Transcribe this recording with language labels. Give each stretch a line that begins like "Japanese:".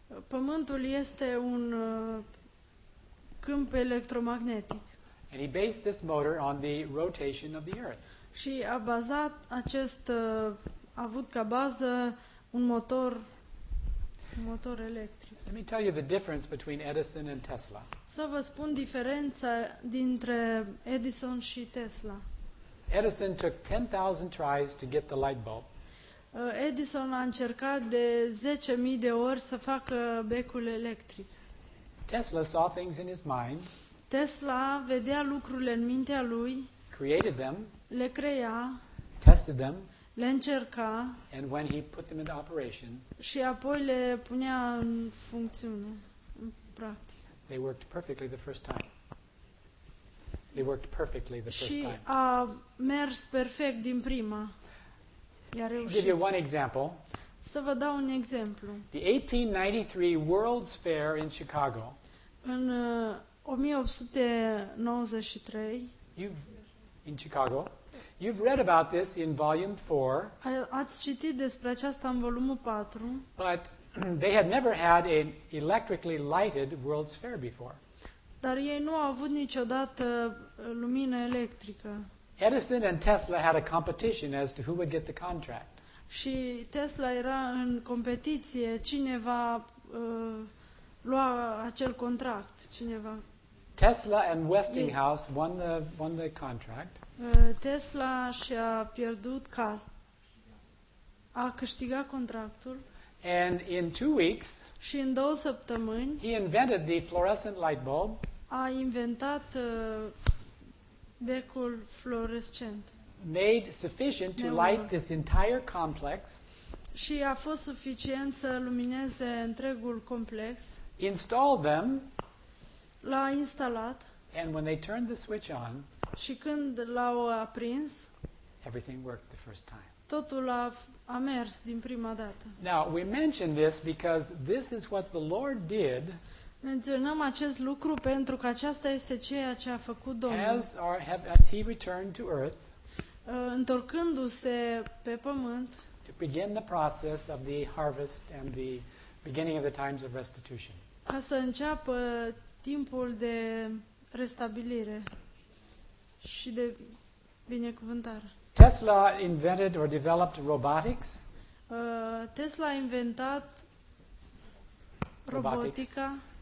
Romanian: Pământul este un câmp electromagnetic.
English: And he based this motor on the rotation of the Earth.
Romanian: Și a bazat acest a avut ca bază un motor electric.
English: Let me tell you the difference between Edison and Tesla.
Romanian: Să vă spun diferența dintre Edison și Tesla.
English: Edison took 10,000 tries to get the light bulb.
Romanian: Edison a încercat de 10,000 de ori să facă becul electric.
English: Tesla saw things in his mind.
Romanian: Tesla vedea lucrurile în mintea lui.
English: Created them.
Romanian: Le crea.
English: Tested them.
Romanian: Le încerca.
English: And when he put them into operation.
Romanian: Și apoi le punea în funcțiune, în practic.
English: They worked perfectly the first time. They worked perfectly the first time.
Romanian: Și a mers perfect din prima. I-a reușit.
English: Give you one example.
Romanian: Să vă dau un exemplu.
English: The 1893 World's Fair in Chicago.
Romanian: În 1893.
English: In Chicago. You've read about this in volume 4.
Romanian: Ați citit despre aceasta în volumul 4.
English: But they had never had an electrically lighted World's Fair before.
Romanian: Dar ei nu au avut niciodată lumină electrică.
English: Edison and Tesla had a competition as to who would get the contract.
Romanian: Și Tesla era în competiție cine va lua acel contract, cine va
English: Tesla and Westinghouse won the contract.
Romanian: Tesla și-a pierdut a câștigat contractul.
English: And in 2 weeks,
Romanian: și în 2 săptămâni,
English: he invented the fluorescent light bulb.
Romanian: A inventat becul fluorescent.
English: Made sufficient to light this entire complex.
Romanian: Și a fost suficient să lumineze întregul complex.
English: Installed them.
Romanian: L-a instalat.
English: And when they turned the switch on.
Romanian: Și când l-au aprins.
English: Everything worked the first time.
Romanian: Totul a mers din prima dată.
English: Now we mention this because this is what the Lord did.
Romanian: Menționăm acest lucru pentru că aceasta este ceea ce a făcut Domnul.
English: As he returned to earth.
Romanian: Întorcându-se pe pământ.
English: To begin the process of the harvest and the beginning of the times of restitution.
Romanian: Ca să înceapă timpul de restabilire și de binecuvântare.
English: Tesla invented or developed robotics.
Romanian: Tesla a inventat robotica.